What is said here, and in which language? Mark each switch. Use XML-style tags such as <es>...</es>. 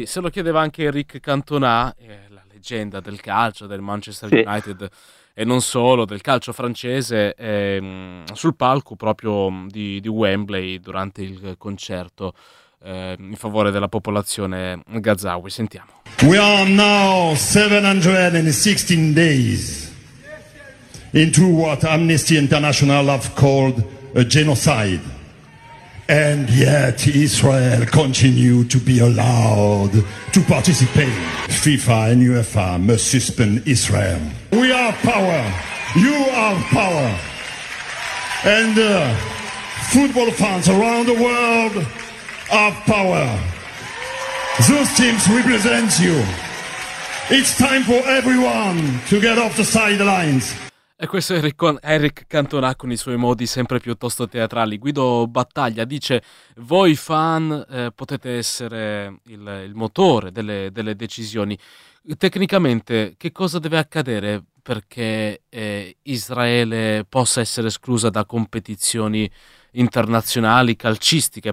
<it>Sì, se lo chiedeva anche Eric Cantona, la leggenda del calcio, del Manchester sì. United, e non solo, del calcio francese, sul palco proprio di Wembley durante il concerto in favore della popolazione gazawi. Sentiamo.</it> <en>We are now 716 days into what Amnesty International have called a genocide. And yet Israel continue to be allowed to participate. FIFA and UEFA must suspend Israel. We are power. You are power. And football fans around the world are power. Those teams represent you. It's time for everyone to get off the sidelines.</en> <it>E questo è Eric Cantona con i suoi modi sempre piuttosto teatrali. Guido Battaglia dice: voi fan potete essere il motore delle decisioni. Tecnicamente che cosa deve accadere perché Israele possa essere esclusa da competizioni internazionali calcistiche?</it>